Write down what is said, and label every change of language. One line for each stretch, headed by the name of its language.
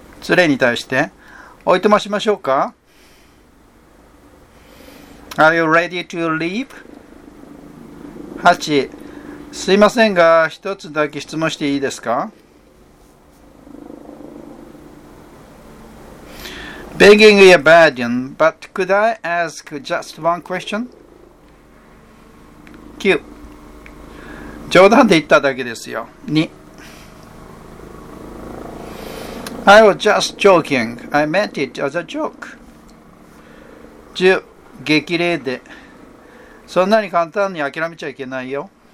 Japanese: 連れに対して、おいとましましょうか？
English: Are you ready to leave? 8.
Japanese: すいませんが、一つだけ質問していいですか？
English: Begging your pardon, but could I ask just one question? 9.
Japanese: 冗談で言っただけですよ。
English: 2. I was just joking. I meant it as a joke. 10.
Japanese: 激励で。そんなに簡単に諦めちゃいけないよ。